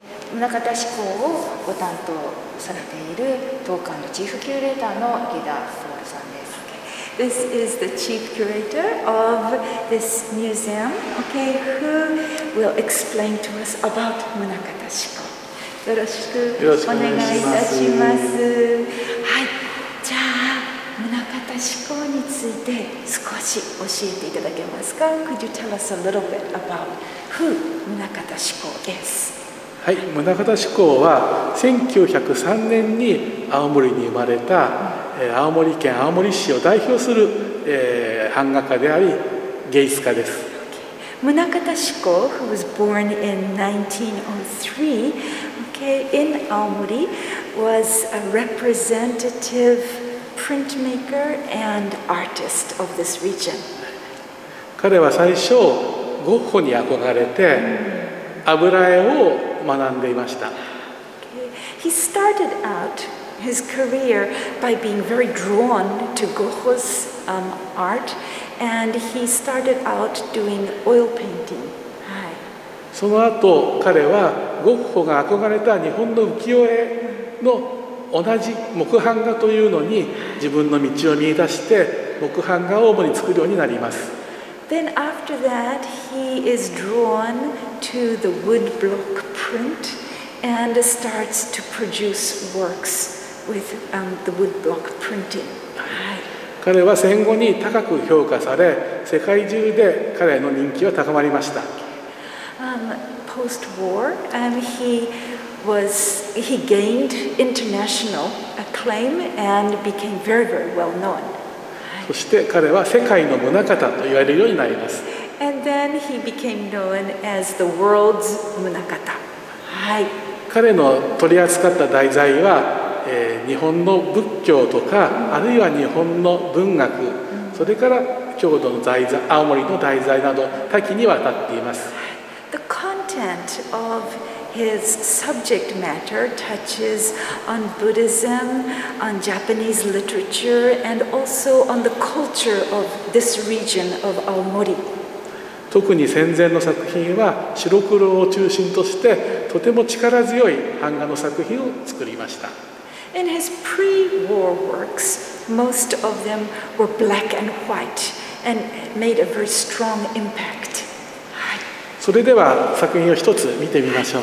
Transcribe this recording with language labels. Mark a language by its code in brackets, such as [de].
[ja] 宗像志向をご担当されている当館のチーフキュレーターの池田徹さんです。 [en] This is the chief curator of this museum, okay, who will explain to us about Munakata Shiko. [ja] よろしくお願いいたします。はい、じゃあ、Munakata Shiko について少し教えていただけますか? [en] Could you tell us a little bit about who Munakata Shiko is? [ja] はい、宗像志向は1903年に青森に生まれた、青森県青森市を代表する、版画家であり芸術家です。 [en] 宗像志向 who was born in 1903, okay, in 青森 was a representative printmaker and artist of this region. [ja] 彼は最初ゴッホに憧れて油絵を学んでいました。 [en] He started out his career by being very drawn to Goho's art and he started out doing oil painting. [ja] その後彼はゴッホが憧れた日本の浮世絵の同じ木版画というのに自分の道を見出して木版画を主に作るようになります。 [en] Then after that, he is drawn to the woodblock print and starts to produce works with the woodblock printing. [ja] 彼は戦後に高く評価され、世界中で彼の人気は高まりました。 [en] Post-war, he gained international acclaim and became very, very well known. [ja] そして彼は世界の宗像と言われるようになります。 [en] And then he became known as the world's 宗像。 [ja] はい。彼の取り扱った題材は、日本の仏教とか、あるいは日本の文学、それから郷土の題材、青森の題材など多岐にわたっています。 [en] The content of his subject matter touches on Buddhism, on Japanese literature, and also on the culture of this region of Aomori. [ja] 特に戦前の作品は白黒を中心としてとても力強い版画の作品を作りました。 [en] In his pre-war works, most of them were black and white and made a very strong impact. [ja] それでは作品を一つ見てみましょう。